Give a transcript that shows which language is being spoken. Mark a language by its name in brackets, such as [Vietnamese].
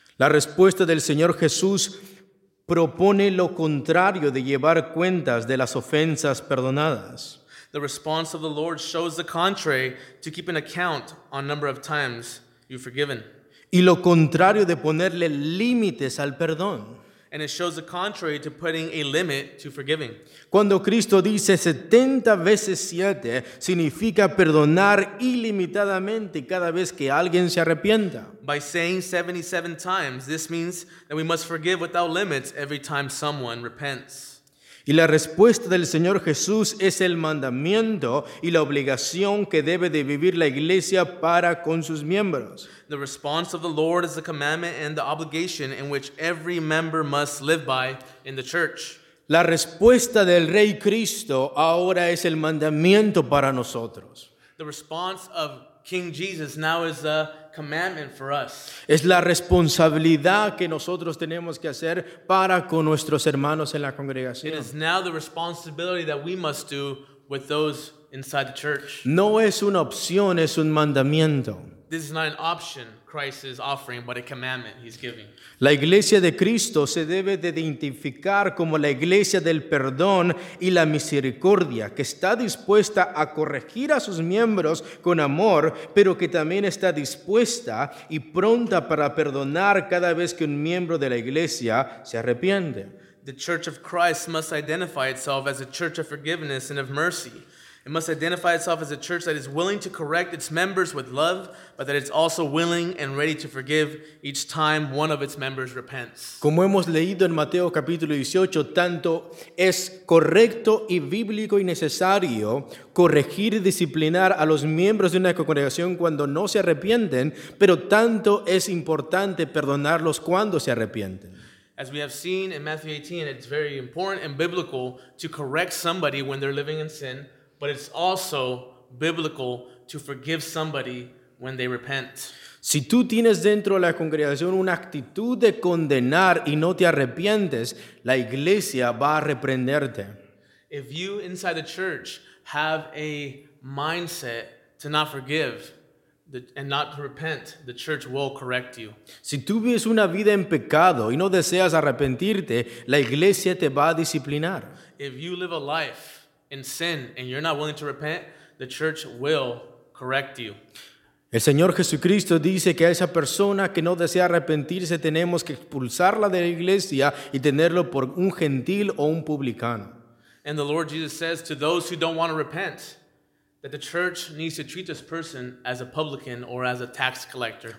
[Spanish] La respuesta del Señor Jesús propone lo contrario de llevar cuentas de las ofensas perdonadas. [English] The response of the Lord shows the contrary to keep an account on number of times you've forgiven. [Spanish] Y lo contrario de ponerle límites al perdón. [English] And it shows the contrary to putting a limit to forgiving. [Spanish] Cuando Cristo dice 70 veces 7, significa perdonar ilimitadamente cada vez que alguien se arrepienta. [English] By saying 77 times, this means that we must forgive without limits every time someone repents. [Spanish] Y la respuesta del Señor Jesús es el mandamiento y la obligación que debe de vivir la iglesia para con sus miembros. [English] The response of the Lord is the commandment and the obligation in which every member must live by in the church. [Spanish] La respuesta del Rey Cristo ahora es el mandamiento para nosotros. [English] The response of King Jesus now is the commandment for us. [Spanish] Es la responsabilidad que nosotros tenemos que hacer para con nuestros hermanos en la congregación. [English] It is now the responsibility that we must do with those inside the church. [Spanish] No es una opción, es un mandamiento. [English] This is not an option Christ is offering, but a commandment he's giving. [Spanish] La iglesia de Cristo se debe de identificar como la iglesia del perdón y la misericordia, que está dispuesta a corregir a sus miembros con amor, pero que también está dispuesta y pronta para perdonar cada vez que un miembro de la iglesia se arrepiente. [English] The Church of Christ must identify itself as a church of forgiveness and of mercy. It must identify itself as a church that is willing to correct its members with love, but that it's also willing and ready to forgive each time one of its members repents. [Spanish] Como hemos leído en Mateo capítulo 18, tanto es correcto y bíblico y necesario corregir y disciplinar a los miembros de una congregación cuando no se arrepienten, pero tanto es importante perdonarlos cuando se arrepienten. [English] As we have seen in Matthew 18, it's very important and biblical to correct somebody when they're living in sin. But it's also biblical to forgive somebody when they repent. [Spanish] Si tú tienes dentro de la congregación una actitud de condenar y no te arrepientes, la iglesia va a reprenderte. [English] If you inside the church have a mindset to not forgive and not to repent, the church will correct you. [Spanish] Si tú vives una vida en pecado y no deseas arrepentirte, la iglesia te va a disciplinar. [English] If you live a life in sin and you're not willing to repent, the church will correct you. [Spanish] El Señor Jesucristo dice que a esa persona que no desea arrepentirse tenemos que expulsarla de la iglesia y tenerlo por un gentil o un publicano. [English] And the Lord Jesus says to those who don't want to repent that the church needs to treat this person as a publican or as a tax collector.